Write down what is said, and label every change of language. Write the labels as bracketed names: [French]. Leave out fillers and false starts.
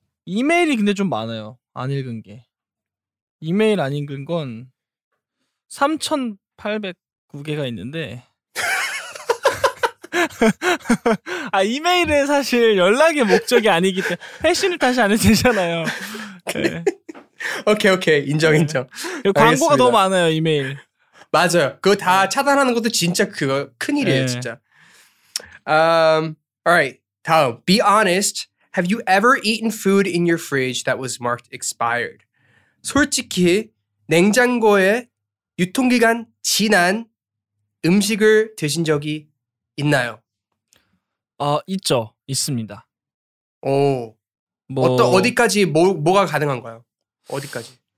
[Korean] 이메일이 근데 좀 많아요. 안 읽은 게. 이메일 안 읽은 건 3,809개가 있는데 이메일은 사실 연락의 목적이 아니기 때문에 회신을 다시 안 해도 되잖아요. 네. 오케이, 오케이. 인정, 인정. 광고가 너무 많아요, 이메일. 맞아요. 그거 다 차단하는 것도 진짜 그거 큰일이에요, 네. 진짜. [English] Alright, [Korean] 다음. [English] Be honest. Have you ever eaten food in your fridge that was marked expired? [Korean] 솔직히 냉장고에 유통기간 지난 음식을 드신 적이 있나요? 있죠. 있습니다. 오. 뭐 어떤 어디까지 뭐가 가능한가요? 어디까지?